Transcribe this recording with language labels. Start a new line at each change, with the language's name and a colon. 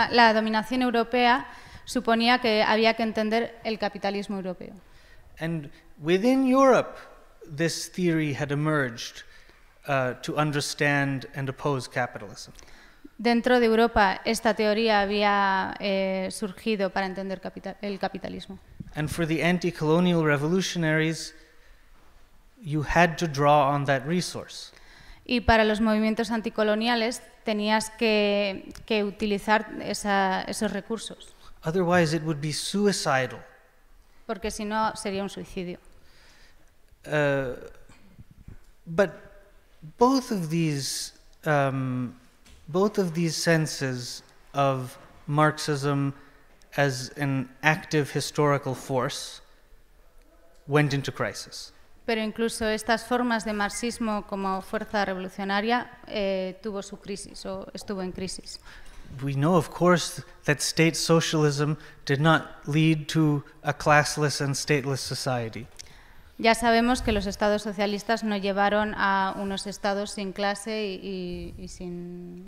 Spanish: La dominación europea suponía que había que entender el capitalismo europeo.
English: And within Europe, this theory had emerged to understand and oppose capitalism.
Spanish: Dentro de Europa, esta teoría había surgido para entender el capitalismo.
English: And for the anti-colonial revolutionaries, you had to draw on that resource.
Spanish: Y para los movimientos anticoloniales tenías que utilizar esos recursos.
English: Otherwise it would be suicidal.
Spanish: Porque si no sería un suicidio.
English: But both of these senses of Marxism as an active historical force went into crisis.
Spanish: Pero incluso estas formas de marxismo como fuerza revolucionaria tuvo su crisis o estuvo en crisis.
English: We know, of course, that state socialism did not lead to a classless and stateless society.
Spanish: Ya sabemos que los estados socialistas no llevaron a unos estados sin clase y sin